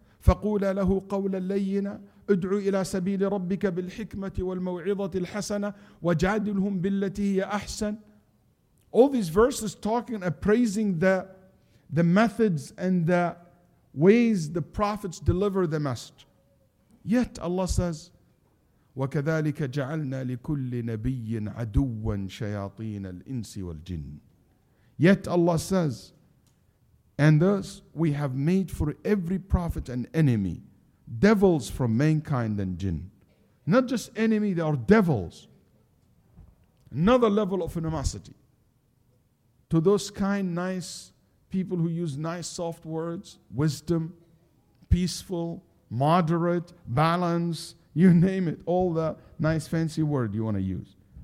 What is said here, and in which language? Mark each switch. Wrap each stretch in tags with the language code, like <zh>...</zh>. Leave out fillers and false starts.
<ar>فَقُولَ لَهُ قَوْلًا لَيِّنًا اُدْعُوا إِلَىٰ سَبِيلِ رَبِّكَ بِالْحِكْمَةِ وَالْمَوْعِظَةِ الْحَسَنَةِ وَجَادِلْهُمْ بِالَّتِي هِيَ أَحْسَنَ.</ar> <en>All these verses talking and praising the methods and the ways the prophets deliver the message. Yet Allah says,</en> <ar>وَكَذَلِكَ جَعَلْنَا لِكُلِّ نَبِيٍّ عَدُوًّا شَيَاطِينَ الْإِنسِ وَالْجِنِّ.</ar> <en>Yet Allah says, and thus we have made for every prophet an enemy, devils from mankind and jinn. Not just enemy, they are devils. another level of animosity to those kind, nice people who use nice, soft words, wisdom, peaceful, moderate, balance, you name it, all the nice, fancy word you want to use.</en>